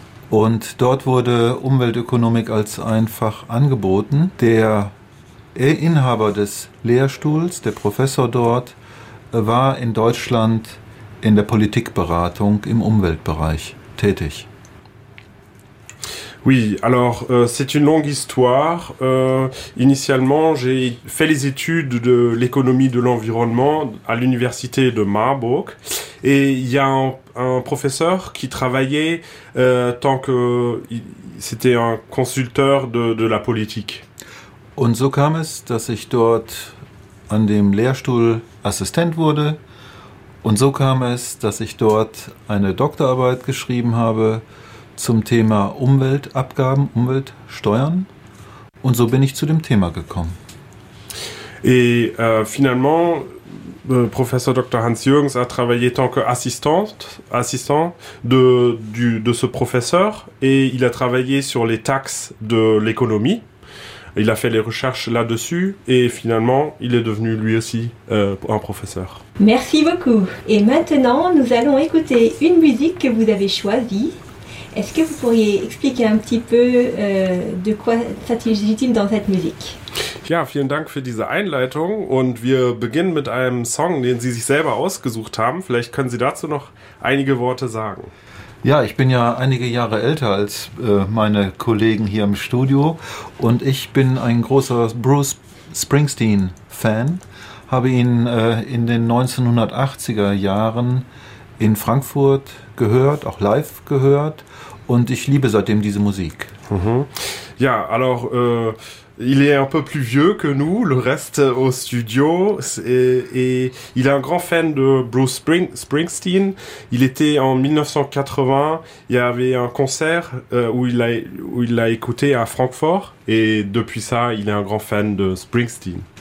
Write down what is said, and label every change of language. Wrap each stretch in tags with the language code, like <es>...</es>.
<de>Und dort wurde Umweltökonomik als ein Fach angeboten. Der Inhaber des Lehrstuhls, der Professor dort, war in Deutschland in der Politikberatung im Umweltbereich tätig.</de> <fr>Oui, alors c'est une longue histoire. Initialement, j'ai fait les études de l'économie de l'environnement à l'université de Marburg. Et il y a un professeur qui travaillait tant que c'était un consulteur de la politique.</fr> <de>Und so kam es, dass ich dort an dem Lehrstuhl Assistent wurde. Und so kam es, dass ich dort eine Doktorarbeit geschrieben habe zum Thema Umweltabgaben, Umweltsteuern. Und so bin ich zu dem Thema gekommen.</de> <fr>Et finalement, Professor Dr. Hans Jürgens a travaillé tant que assistant de ce professeur et il a travaillé sur les taxes de l'économie. Il a fait les recherches là-dessus et finalement, il est devenu lui aussi un professeur. Merci beaucoup. Et maintenant, nous allons écouter une musique que vous avez choisie. Est-ce que vous pourriez expliquer un petit peu de quoi s'agit-il dans cette musique ?</fr> <de>Ja, vielen Dank für diese Einleitung und wir beginnen mit einem Song, den Sie sich selber ausgesucht haben. Vielleicht können Sie dazu noch einige Worte sagen. Ja, ich bin ja einige Jahre älter als meine Kollegen hier im Studio und ich bin ein großer Bruce Springsteen-Fan, habe ihn in den 1980er Jahren in Frankfurt gehört, auch live gehört und ich liebe seitdem diese Musik. Mhm. Ja, alors...</de> <fr>Il est un peu plus vieux que nous, le reste au studio, et il est un grand fan de Bruce Springsteen. Il était en 1980, il y avait un concert où il l'a écouté à Francfort, et depuis ça, il est un grand fan de Springsteen.</fr>